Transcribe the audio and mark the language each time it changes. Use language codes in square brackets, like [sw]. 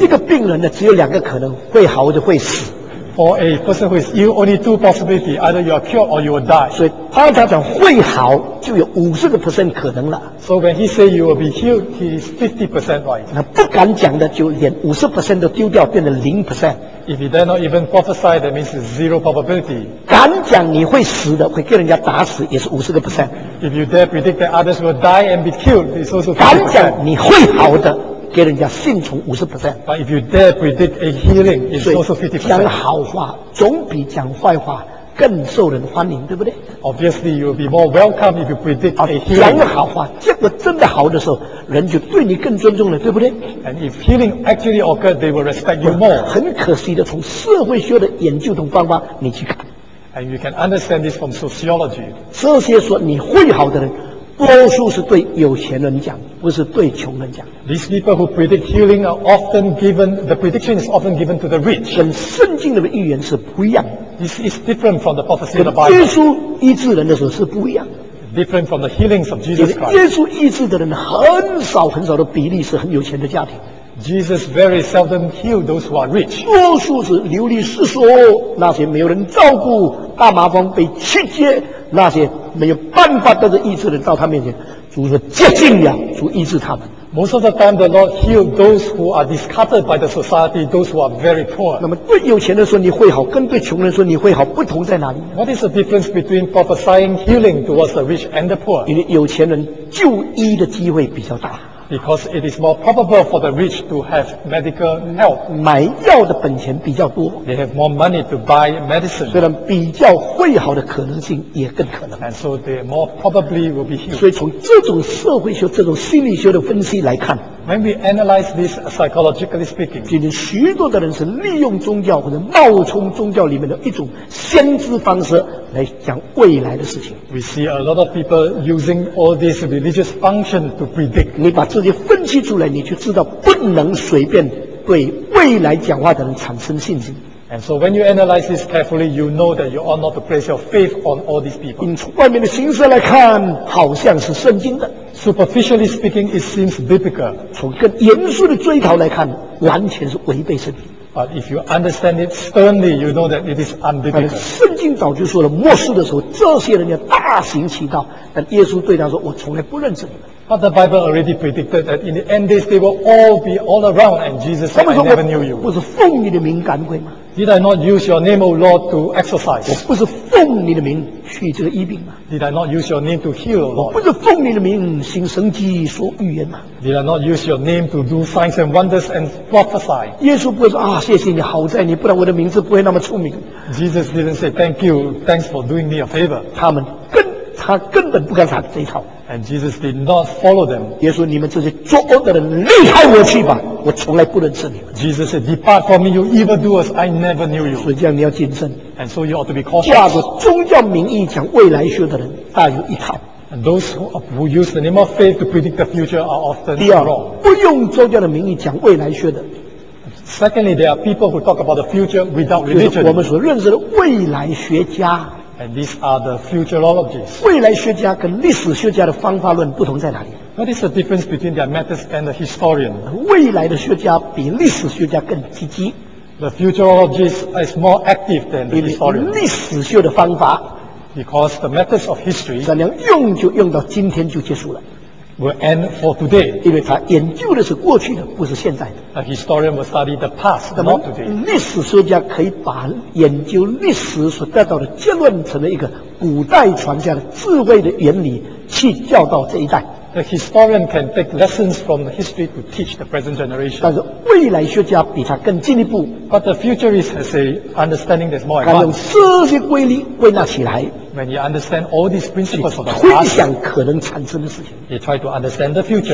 [zh] 这个病人呢，只有两个可能，会好就会死。 [en] For a person who is ill, only two possibilities: either you are cured or you will die. [zh] 所以当他讲会好，就有50%可能了。 [en] So when he say you will be healed, he is 50% right. [zh] 那不敢讲的，就连50%都丢掉，变成0%。 [en] If he dare not even prophesy, that means zero probability. [zh] 敢讲你会死的，会给人家打死，也是50%。 [en] If you dare predict that others will die and be killed, it's also [zh] 50%. 敢讲你会好的。给人家信从50%。 [en] But if you dare predict a healing, it's also 50%. [zh] 讲好话总比讲坏话更受人欢迎，对不对？ [en] Obviously, you will be more welcome if you predict a healing. [zh] 讲好话，结果真的好的时候，人就对你更尊重了，对不对？ [en] And if healing actually occurred, they will respect you more. [zh] 很可惜的，从社会学的研究等方法，你去看。 [en] And you can understand this from sociology. [zh] 这些说你会好的人，多数是对有钱人讲，不是对穷人讲。 [en] These people who predict healing are often given, the prediction is often given to the rich. [zh] 跟圣经的预言是不一样的。 [en] This is different from the prophecy of the Bible. [zh] 耶稣医治人的时候是不一样的。 [en] Different from the healings of Jesus Christ. [zh] 耶稣医治的人很少很少的比例是很有钱的家庭。 [en] Jesus very seldom healed those who are rich. [zh] 多数是流离失所，那些没有人照顾，大麻风被弃绝，那些没有办法得着医治的人到他面前，主说接近了，主医治他们。 [en] Most of the time, the Lord healed those who are discarded by the society, those who are very poor. [zh] 那么对有钱人说你会好，跟对穷人说你会好，不同在哪里？ [en] What is the difference between prophesying healing towards the rich and the poor? [zh] 因为有钱人就医的机会比较大。 [en] Because it is more probable for the rich to have medical help. [zh] 买药的本钱比较多。 [en] They have more money to buy medicine. [zh] 虽然比较会好的可能性也更可能。 [en] And so they more probably will be healed. [zh] 所以从这种社会学、这种心理学的分析来看， [en] When we analyze this psychologically speaking, [zh] 今天许多的人是利用宗教或者冒充宗教里面的一种先知方式来讲未来的事情。 [en] We see a lot of people using all these religious functions to predict. [zh] 你把自己分析出来，你就知道不能随便对未来讲话的人产生信心。 [en] And so when you analyze this carefully, you know that you ought not to place your faith on all these people. [zh] 因从外面的形式来看，好像是圣经的。 [en] Superficially speaking, it seems biblical. [zh] 从更严肃的追讨来看，完全是违背圣经。 [en] But if you understand it sternly, you know that it is unbiblical. [zh] 圣经早就说了，末世的时候，这些人要大行其道。但耶稣对他说：“我从来不认识你们。” [en] But the Bible already predicted that in the end days they will all be all around. And Jesus said, "I never knew you." [zh] 不是奉你的名赶鬼吗？ [en] Did I not use your name, O Lord, to exercise? [zh] 我不是奉你的名去这个医病吗？ [en] Did I not use your name to heal, O Lord? [zh] 我不是奉你的名行神迹说预言吗？ [en] Did I not use your name to do signs and wonders and prophesy? [zh] 耶稣不会说啊，谢谢你，好在你，不然我的名字不会那么出名。 [en] Jesus didn't say, "Thank you, thanks for doing me a favor." [zh] 他根本不敢谈这一套。 [en] And Jesus did not follow them. [zh] 耶稣，你们这些作恶的人，离开我去吧！我从来不认识你们。 [en] Jesus said, "Depart from me, you evildoers! I never knew you." [zh] 所以这样你要谨慎。 [en] And so you ought to be cautious. [zh] 挂着宗教名义讲未来学的人，大有一套。 [en] And those who use the name of faith to predict the future are often wrong. [zh] 第二，不用宗教的名义讲未来学的。 [en] Secondly, there are people who talk about the future without religion. [zh] 就是我们所认识的未来学家。 [en] And these are the futurologists. [zh] 未来学家跟历史学家的方法论不同在哪里？ [en] What is the difference between their methods and the historian? [zh] 未来的学家比历史学家更积极。 [en] The futurologist is more active than the historian. [zh] 历史学的方法， [en] because the methods of history, [zh] 怎样用就用到今天就结束了。 [en] Will end for today. [zh] 因为他研究的是过去的，不是现在的。 [en] A historian will study the past, not today. [zh] 历史学家可以把研究历史所得到的结论，成为一个古代传下的智慧的原理，去教导这一代。 [en] The historian can take lessons from the history to teach the present generation. [zh] 但是未来学家比他更进一步。 [en] But the futurist has a understanding that's more advanced. [zh] 他用这些规律归纳起来。 [en] When you understand all these principles of the past, [zh] 推想可能产生的事情。 [en] You try to understand the future.